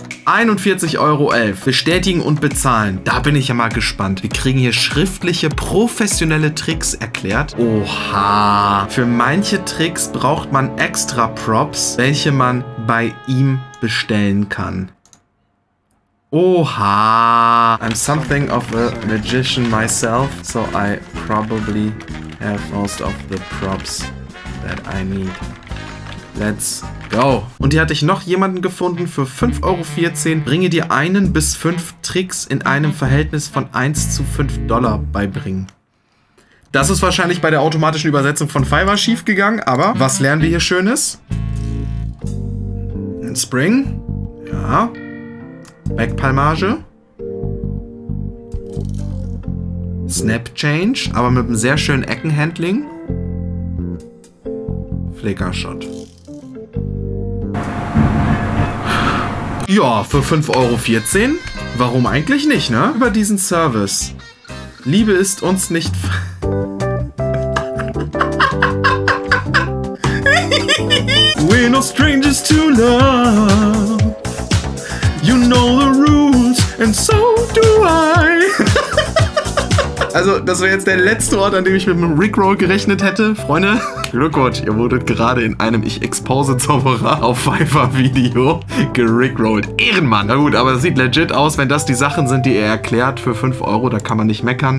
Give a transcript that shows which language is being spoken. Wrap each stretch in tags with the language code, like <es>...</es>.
<de>41,11 Euro, bestätigen und bezahlen. Da bin ich ja mal gespannt. Wir kriegen hier schriftliche, professionelle Tricks erklärt. Oha, für manche Tricks braucht man extra Props, welche man bei ihm bestellen kann.</de> <en>Oha, I'm something of a magician myself, so I probably have most of the props that I need. Let's go.</en> <de>Und hier hatte ich noch jemanden gefunden für 5,14 Euro. Bringe dir einen bis fünf Tricks in einem Verhältnis von 1 zu 5 Dollar beibringen. Das ist wahrscheinlich bei der automatischen Übersetzung von Fiverr schief gegangen, aber was lernen wir hier Schönes? In Spring? Ja. Backpalmage. Snap Change, aber mit einem sehr schönen Eckenhandling. Flickershot. Ja, für 5,14 Euro. Warum eigentlich nicht, ne? Über diesen Service. Liebe ist uns nicht.</de> <en>We're no strangers to love. You know the rules, and so do I.</en> <de>Also, das wäre jetzt der letzte Ort, an dem ich mit dem Rickroll gerechnet hätte, Freunde. Glückwunsch, ihr wurdet gerade in einem Ich-Expose-Zauberer auf Fiverr-Video gerickrollt. Ehrenmann! Na gut, aber es sieht legit aus, wenn das die Sachen sind, die er erklärt für 5 Euro, da kann man nicht meckern.</de>